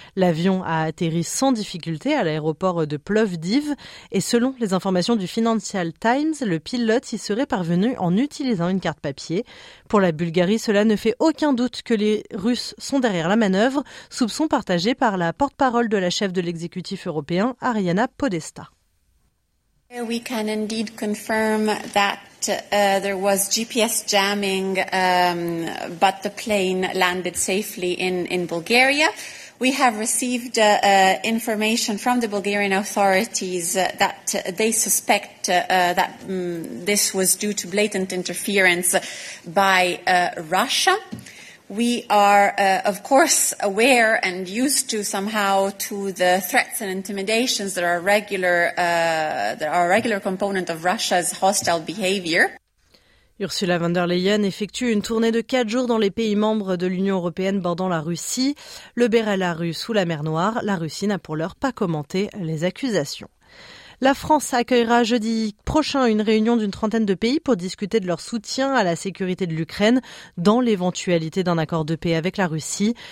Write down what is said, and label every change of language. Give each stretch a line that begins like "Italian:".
French: L'avion a atterri sans difficulté à l'aéroport de Plovdiv et selon les informations du Financial Times, le pilote y serait parvenu en utilisant une carte papier. Pour la Bulgarie, cela ne fait aucun doute que les Russes sont derrière la manœuvre, soupçon partagé par la porte-parole de la chef de l'exécutif européen, Ariana Podesta.
English: We can indeed confirm that there was GPS jamming, but the plane landed safely in Bulgaria. We have received information from the Bulgarian authorities that they suspect that this was due to blatant interference by Russia. We are, of course, aware and used to somehow to the threats and intimidations that are a regular component of Russia's hostile behavior.
French: Ursula von der Leyen effectue une tournée de 4 jours dans les pays membres de l'Union européenne bordant la Russie, le Bélarus ou la mer Noire. La Russie n'a pour l'heure pas commenté les accusations. La France accueillera jeudi prochain une réunion d'une trentaine de pays pour discuter de leur soutien à la sécurité de l'Ukraine dans l'éventualité d'un accord de paix avec la Russie.